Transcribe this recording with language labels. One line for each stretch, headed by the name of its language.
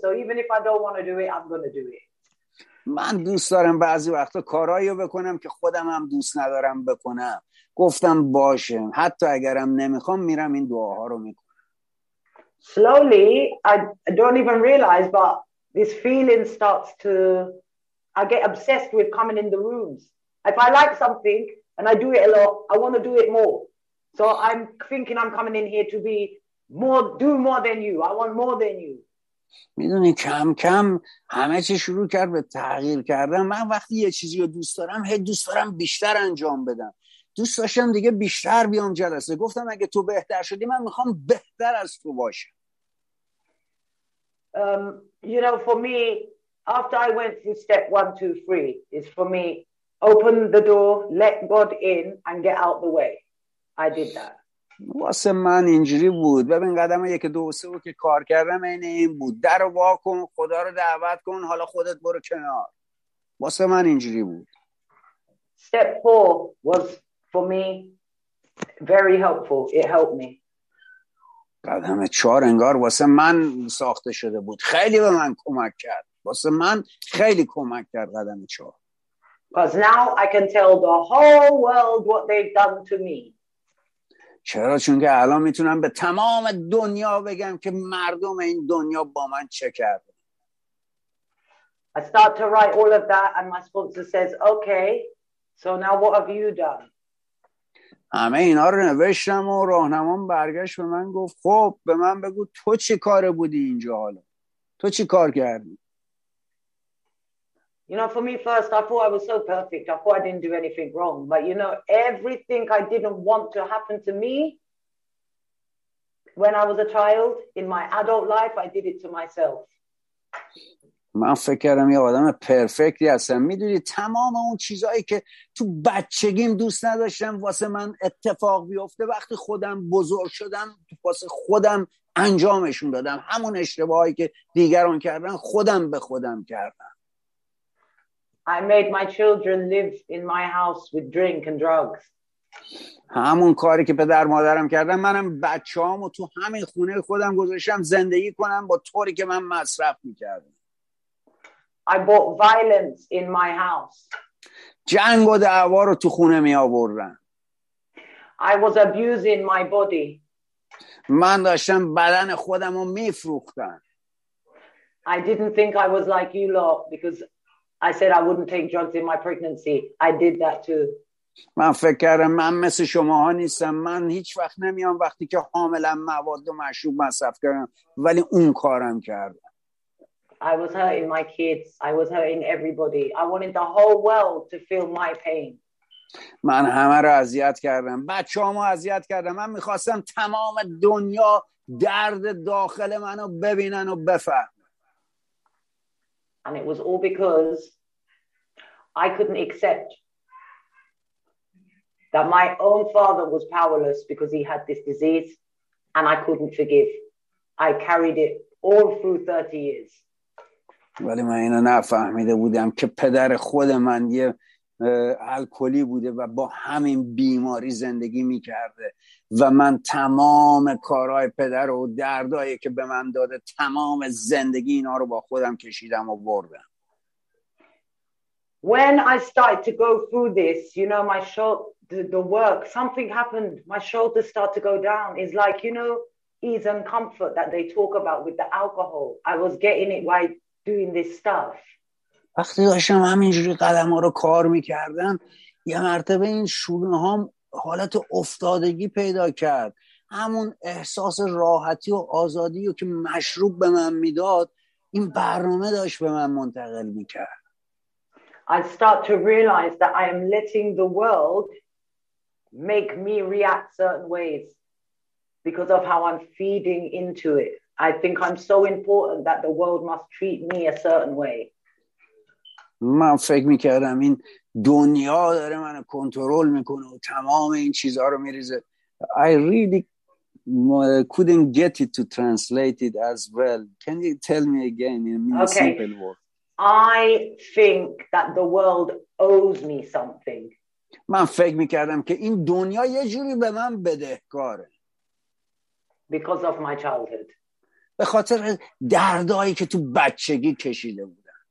English: So even if I don't want to do it, I'm going to do it.
Persian: من دوست دارم بعضی وقتا کارهایی بکنم که خودم هم دوست ندارم بکنم. گفتم باشه. حتی اگرم نمیخوام میرم این دعاها رو میکنم.
English: Slowly, I don't even realize, but this feeling starts to, I get obsessed with coming in the rooms. If I like something and I do it a lot, I want to do it more. So I'm thinking I'm coming in here to be more, do more than you. I want more than you.
Persian: میدونی کم کم همه چی شروع کرد به تغییر کردن. من وقتی یه چیزی رو دوست دارم، هی دوست دارم بیشتر انجام بدم. دوست داشتم دیگه بیشتر بیام جلسه. گفتم اگه تو بهتر شدی من میخوام بهتر از تو باشم.
English: You know, for me, after I went through step 1, 2, 3, is for me, open the door, let God in and get out the way. I did that.
Persian: واسه من اینجوری بود. ببین قدم 1, 2, 3 رو که کار کردم اینه این بود. در رو واکن، خدا رو دعوت کن، حالا خودت برو کنار. واسه من اینجوری بود.
English: Step 4 was for me very helpful. It helped me.
Persian: قدم 4 انگار واسه من ساخته شده بود، خیلی به من کمک کرد. واسه من خیلی کمک کرد قدم 4.
English: Because now I can tell the whole world what they've done to me.
Persian: چرا؟ چون که الان میتونم به تمام دنیا بگم که مردم این دنیا با من چه کرده.
English: I start to write all of that and my sponsor says, okay, so now what have you done?
Persian: همه اینا رو نوشتم و راهنمام برگشت به من گفت خب به من بگو تو چه کار بودی اینجا حالا؟ تو چه کار کردی؟
English: You know, for me first, I thought I was so perfect. I thought I didn't do anything wrong. But you know, everything I didn't want to happen to me when I was a child, in my adult life, I did it to myself.
Persian: من فکر کردم یه آدم پرفکتی هستم. میدونی تمام اون چیزایی که تو بچگیم دوست نداشتم واسه من اتفاق بیفته وقتی خودم بزرگ شدم واسه خودم انجامشون دادم. همون اشتباهایی که دیگران کردن خودم به خودم کردم.
English: I made my children live in my house with drink and drugs.
Persian: همون کاری که پدر مادرم کردن منم بچه‌هامو تو همین خونه خودم گذاشتم زندگی کنم با طوری که من مصرف می‌کردم.
English: I bought violence in my house.
Persian: جنگ و دعوا رو تو خونه می آوردن.
English: I was abusing my body.
Persian: من داشتم بدن خودم رو می فروختم.
English: I didn't think I was like you lot because I said I wouldn't take drugs in my pregnancy. I did that too.
Persian: من فکر کردم من مثل شماها نیستم. من هیچ وقت نمیام وقتی که حاملم مواد و مشروب مصرف کردم. ولی اون کارم کرد.
English: I was hurting my kids. I was hurting everybody. I wanted the whole world to feel my pain.
Persian: من همه رو اذیت کردم. بچه‌هامو اذیت کردم. من می‌خواستم تمام دنیا درد داخل منو ببینن و بفهمن.
English: And it was all because I couldn't accept that my own father was powerless because he had this disease and I couldn't forgive. I carried it all through 30 years.
Persian: ولی من اینو نفهمیده بودم که پدر خود من یه الکلی بوده و با همین بیماری زندگی میکرده و من تمام کارهای پدر و دردایی که به من داده تمام زندگی اینا رو با خودم کشیدم و بردم.
English: When I started to go through this, you know, my shoulder, the work, something happened. My shoulder started to go down. It's like, you know, ease and comfort that they talk about with the alcohol. I was getting it right. Doing this stuff.
Persian: وقتی داشتم همینجوری قدم ها رو کار میکردم یه مرتبه این شونه هم حالت افتادگی پیدا کرد. همون احساس راحتی و آزادی و که مشروب به من میداد این برنامه داشت به من منتقل میکرد.
English: I start to realize that I am letting the world make me react certain ways because of how I'm feeding into it. I think I'm so important that the world must treat me a certain way.
Persian: من فکر می‌کردم این دنیا داره منو کنترل می‌کنه و تمام این چیزها رو می‌ریزه.
English: I really couldn't get it to translate it as well. Can you tell me again in a simple word? I think that the world owes me something.
Persian: من فکر می‌کردم که این دنیا یه جوری به من بدهکاره.
English: Because of my childhood.
Persian: به خاطر دردایی که تو بچگی کشیده بودم.